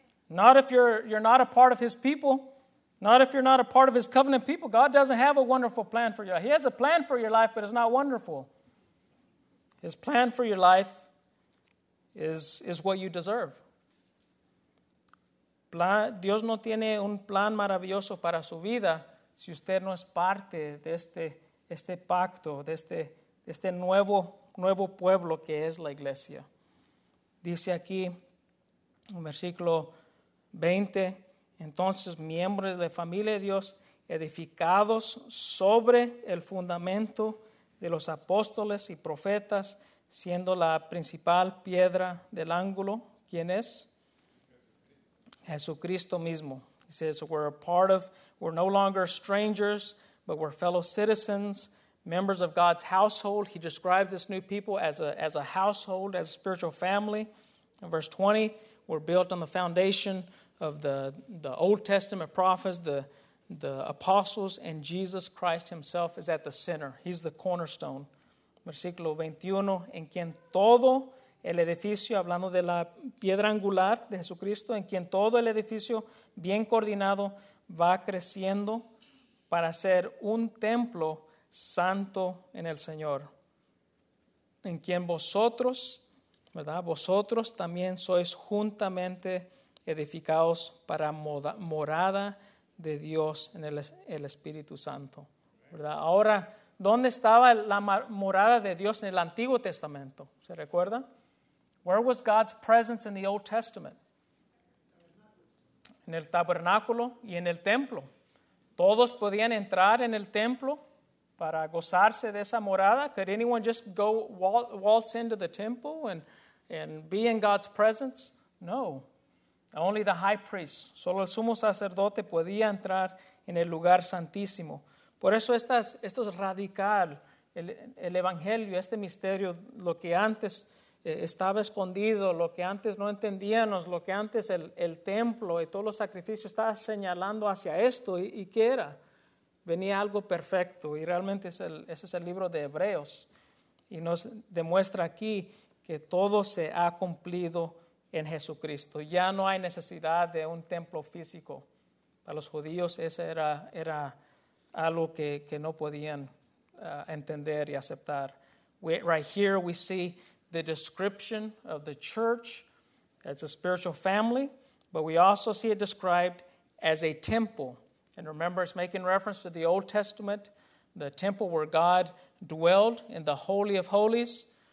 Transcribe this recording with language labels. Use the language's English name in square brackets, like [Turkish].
[English] Not if you're not a part of his people. Not if you're not a part of his covenant people. God doesn't have a wonderful plan for your life. He has a plan for your life, but it's not wonderful. His plan for your life is what you deserve. [Spanish] Dios no tiene un plan maravilloso para su vida si usted no es parte de este pacto, de este nuevo pueblo que es la iglesia. Dice aquí, en versículo 20, entonces miembros de la familia de Dios, edificados sobre el fundamento de los apóstoles y profetas, siendo la principal piedra del ángulo, ¿quién es? Jesucristo mismo. [English] He says, we're no longer strangers, but we're fellow citizens, members of God's household. He describes this new people as a household, as a spiritual family. In verse 20, we're built on the foundation of the Old Testament prophets, the apostles, and Jesus Christ himself is at the center. He's the cornerstone. [Spanish] Versículo 21, en quien todo el edificio, hablando de la piedra angular de Jesucristo, en quien todo el edificio bien coordinado va creciendo para ser un templo santo en el Señor, en quien vosotros, ¿verdad? Vosotros también sois juntamente edificados para morada de Dios en el Espíritu Santo, ¿verdad? Ahora, ¿dónde estaba la morada de Dios en el Antiguo Testamento? ¿Se recuerda? [English] Where was God's presence in the Old Testament? [Spanish] En el tabernáculo y en el templo. Todos podían entrar en el templo para gozarse de esa morada. [English] Could anyone just go waltz into the temple and be in God's presence? No. Only the high priest. [Spanish] Solo el sumo sacerdote podía entrar en el lugar santísimo. Por eso esto es radical. El evangelio, este misterio, lo que antes estaba escondido, lo que antes no entendíamos, lo que antes el templo y todos los sacrificios estaban señalando hacia esto, ¿y qué era? Venía algo perfecto, y realmente ese es el libro de Hebreos, y nos demuestra aquí que todo se ha cumplido en Jesucristo. Ya no hay necesidad de un templo físico. Para los judíos ese era algo que no podían entender y aceptar. [English] Right here we see the description of the church as a spiritual family, but we also see it described as a temple. And remember, it's making reference to the Old Testament, the temple where God dwelled in the Holy of Holies.